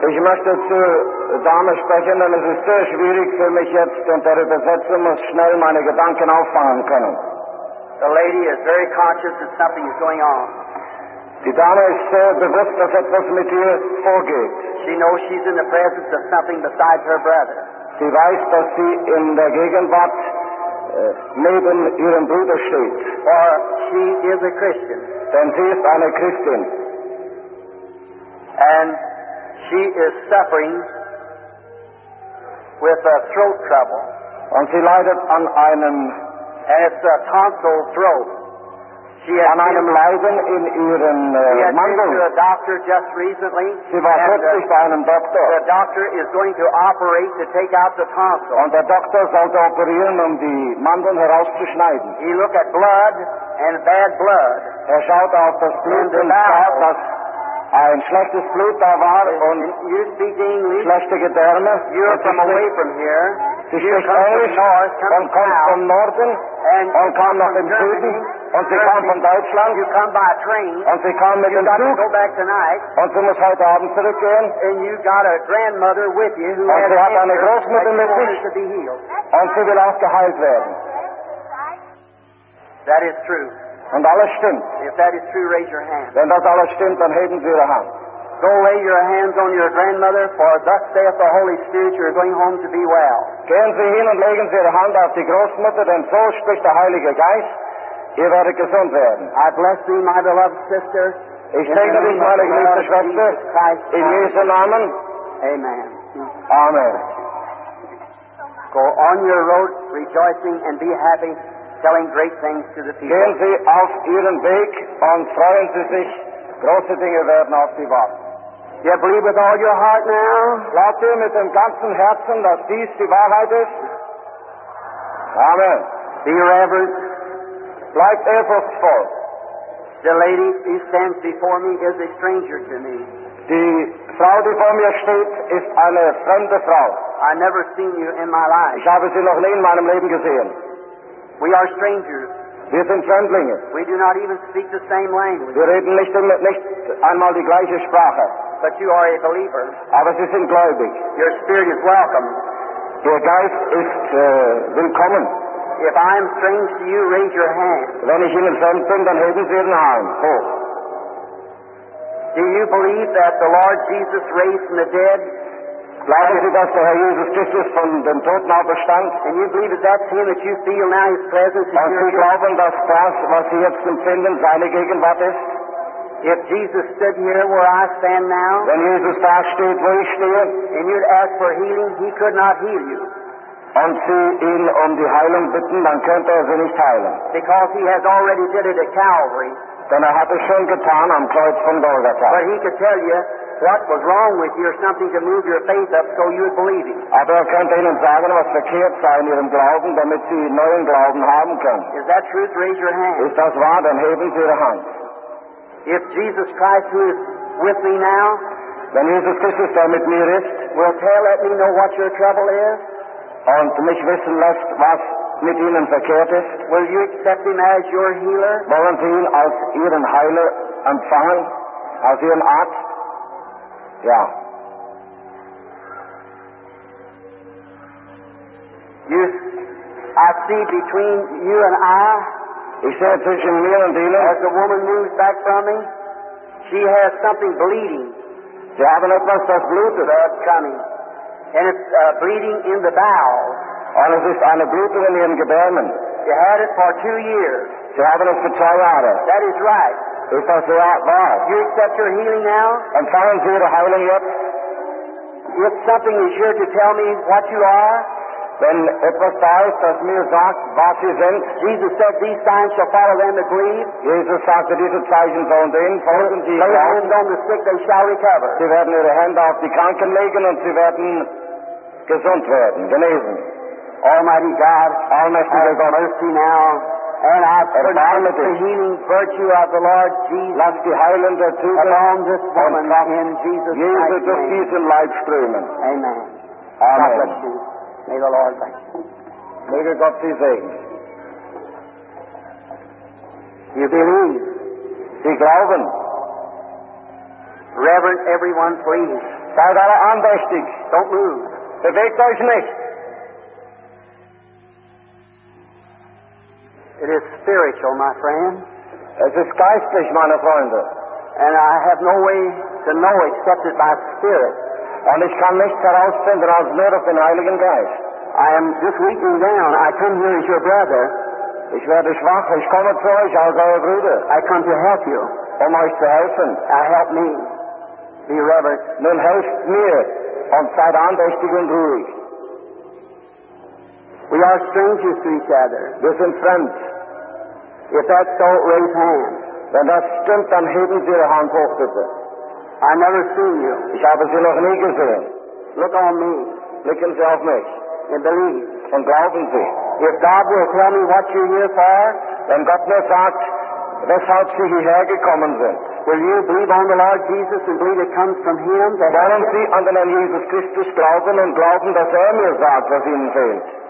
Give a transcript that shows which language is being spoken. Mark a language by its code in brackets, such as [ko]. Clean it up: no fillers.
[de] Ich möchte zu Dame sprechen, denn es ist sehr schwierig für mich jetzt, und der Übersetzer muss schnell meine Gedanken auffangen können. [en] The lady is very conscious that something is going on. [de] Die Dame ist sehr bewusst, dass etwas mit ihr vorgeht. [en] She knows she's in the presence of something besides her brother. [de] Sie weiß, dass sie in der Gegenwart neben ihrem Bruder steht. [en] Or she is a Christian. [de] Denn sie ist eine Christin. [en] And she is suffering with a throat trouble. [de] Und sie leidet an einem, [en] and it's a tonsil throat. [de] an einem Leiden in ihren Mandeln. [en] She had been to a doctor just recently. [de] Sie war kürzlich bei einem Doktor. [en] The doctor is going to operate to take out the tonsil. [de] Und der Doktor sollte operieren, um die Mandeln herauszuschneiden. [en] He looked at blood and bad blood. [de] Er schaut auf das Blut und sah, dass ein schlechtes Blut da war und [en] you speaking, [de] schlechte Gedärme. [en] You're from away from here. [de] Sie spricht Englisch und kommt vom Norden und kam nach dem Süden. Und sie kam von Deutschland. [en] You come by train. [de] Und sie kam mit [en] you [de] dem Zug. [en] To go back tonight. [de] Und sie muss heute Abend zurückgehen. [en] And you got a grandmother with you who [de] und sie hat eine Großmutter mit sich. [en] To be healed. [de] Und sie will auch geheilt werden. [en] That is true. [de] Und alles stimmt. [en] If that is true, raise your hand. [de] Wenn das alles stimmt, dann heben Sie Ihre Hand. [en] Go lay your hands on your grandmother, for thus saith the Holy Spirit, you are going home to be well. [de] Gehen Sie hin und legen Sie Ihre Hand auf die Großmutter, denn so spricht der Heilige Geist. Ihr werdet gesund werden. [en] I bless thee, my beloved sister. [de] Ich segne dich, meine geliebte Schwester. In Jesu Namen. Amen. Amen. [en] Go on your road rejoicing and be happy, telling great things to the people. [de] Gehen Sie auf Ihren Weg und freuen Sie sich. Große Dinge werden auf Sie warten. [en] Do you believe with all your heart now? [de] Glaubt ihr mit dem ganzen Herzen, dass dies die Wahrheit ist? Amen. [en] Be reverent. Like Ephesus. The lady who stands before me is a stranger to me. [de] Die Frau, die vor mir steht, ist eine fremde Frau. [en] I never seen you in my life. [de] Ich habe sie noch nie in meinem Leben gesehen. [en] We are strangers. [de] Wir sind Fremdlinge. [en] We do not even speak the same language. [de] Wir reden nicht einmal die gleiche Sprache. [en] But you are a believer. [de] Aber Sie sind gläubig. [en] Your spirit is welcome. [de] Ihr Geist ist willkommen. [en] If I am strange to you, raise your hand. [de] Wenn ich Ihnen fremd bin, dann heben Sie Ihren Arm hoch. [en] Do you believe that the Lord Jesus raised from the dead? [de] Glauben Sie, dass der Herr Jesus Christus von den Toten auferstand? [en] And you believe that that's Him that you feel now His presence is here? [de] Und Sie glauben, dass das, was Sie jetzt empfinden, seine Gegenwart ist? [en] If Jesus stood here where I stand now, [de] wenn Jesus da steht, wo ich stehe, [en] and you'd ask for healing, He could not heal you. [de] Und Sie ihn die Heilung bitten, dann könnte er Sie nicht heilen. [en] Because He has already did it at Calvary. [de] Denn hat es schon getan am Kreuz von Golgatha. [en] But He could tell you what was wrong with you or something to move your faith up so you would believe Him. [de] Aber könnte Ihnen sagen, was verkehrt sei in Ihrem Glauben, damit Sie neuen Glauben haben können. [en] Is that truth? Raise your hand. [de] Ist das wahr? Dann heben Sie Ihre Hand. [en] If Jesus Christ, who is with me now, [de] wenn Jesus Christus, der mit mir ist, [en] will tell, let me know what your trouble is, [de] und mich wissen lässt, was mit Ihnen verkehrt ist, [en] will you accept Him as your healer? [de] Wollen Sie ihn als Ihren Heiler empfangen, als Ihren Arzt? Ja. [en] You, I see between you and I, [de] ich sehe zwischen mir und Ihnen, [en] as the woman moves back from me, she has something bleeding. [de] Sie haben etwas, das blutet. [en] That's coming. And it's bleeding in the bowels. [de] Und es ist eine Blutung in Ihren Gebärmen. [en] You had it for 2 years. [de] Sie haben es für 2 Jahre. [en] That is right. [de] Ist das wahr? [en] You accept your healing now? [de] Empfangen Sie Ihre Heilung jetzt? [en] If something is here to tell me what you are, [de] wenn etwas da ist, das mir sagt, was Sie sind, [en] Jesus said, these signs shall follow them that believe. [de] Jesus sagte, diese Zeichen sollen denen folgen, die [en] lay hands on the sick, they shall recover. [de] Sie werden Ihre Hände auf die Kranken legen und Sie werden gesund werden, genesen. [en] Almighty God, Almighty God, mercy now, and I pronounce the healing virtue of the Lord Jesus. [de] Lass die heilende Tugend [en] along this woman in Jesus' Jesus name. [de] Jesus, durch diesen Leibströmen. Amen. Amen. [en] God bless you. May the Lord bless you. [de] Möge Gott Sie segnen. [en] You believe. [de] Sie glauben. [en] Reverend everyone, please. [de] Seid alle andächtig. [en] Don't move. [de] Bewegt euch nicht. [en] It is spiritual, my friend. [de] Es ist geistlich, meine Freunde. [en] And I have no way to know except it by spirit. [de] Und ich kann nichts herausfinden als nur auf den Heiligen Geist. [en] I am just weakening down. I come here as your brother. [de] Ich werde schwach. Ich komme zu euch als euer Bruder. [en] I come to help you. [de] Um euch zu helfen. [en] Help me. Be reverent. [de] Nun helft mir und seid andächtig und ruhig. [en] We are strangers to each other. [de] Wir sind Fremd. [en] If that's so, raise hand. [de] Wenn das stimmt, dann heben Sie Ihre Hand hoch, bitte. [en] I never seen you. [de] Ich habe Sie noch nie gesehen. [en] Look on me. [de] Blicken Sie auf mich. [en] And believe. [de] Und glauben Sie. [en] If God will tell me what you're here for, [de] wenn Gott mir sagt, weshalb Sie hierher gekommen sind, [en] will you believe on the Lord Jesus and believe it comes from Him? [de] That wollen Sie an den Herrn Jesus Christus glauben und glauben, dass er mir sagt, was Ihnen fehlt?